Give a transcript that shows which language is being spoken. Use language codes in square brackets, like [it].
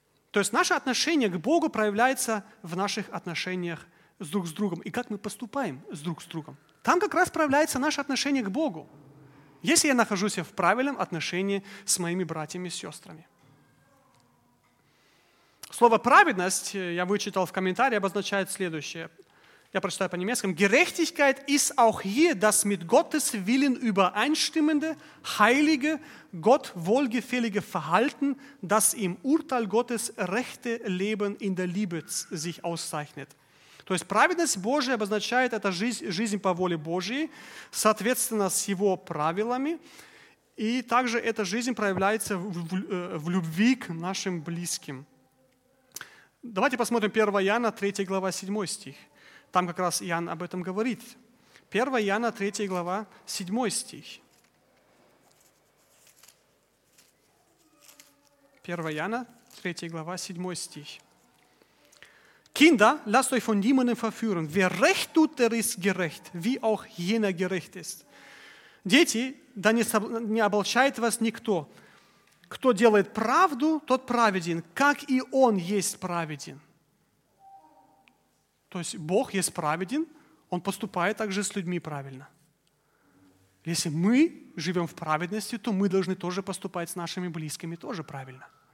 [ru] То есть наше отношение к Богу проявляется в наших отношениях с друг с другом, и как мы поступаем с друг с другом. Там как раз проявляется наше отношение к Богу, если я нахожусь в правильном отношении с моими братьями и сестрами. Слово «праведность», я вычитал в комментарии, обозначает следующее. Я прочитаю по-немецки. [de] Gerechtigkeit ist auch hier das mit Gottes Willen übereinstimmende, heilige, Gott wohlgefällige Verhalten, das im Urteil Gottes rechte Leben in der Liebe sich auszeichnet. [ru] То есть праведность Божия обозначает это жизнь по воле Божьей, соответственно, с Его правилами, и также эта жизнь проявляется в любви к нашим близким. Давайте посмотрим 1 Иоанна, 3 глава, 7 стих. Там как раз Иоанн об этом говорит. 1 Иоанна, 3 глава, 7 стих. 1 Иоанна, 3 глава, 7 стих. [de] Kinder, lasst euch von niemandem verführen. Wer recht tut, der ist gerecht, wie auch jener gerecht ist. [ru] Дети, да не оболчает вас никто. Кто делает правду, тот праведен, как и он есть праведен. То есть Бог есть праведен, Он поступает также с людьми правильно. Если мы живем в праведности, то мы должны тоже поступать с нашими близкими тоже правильно.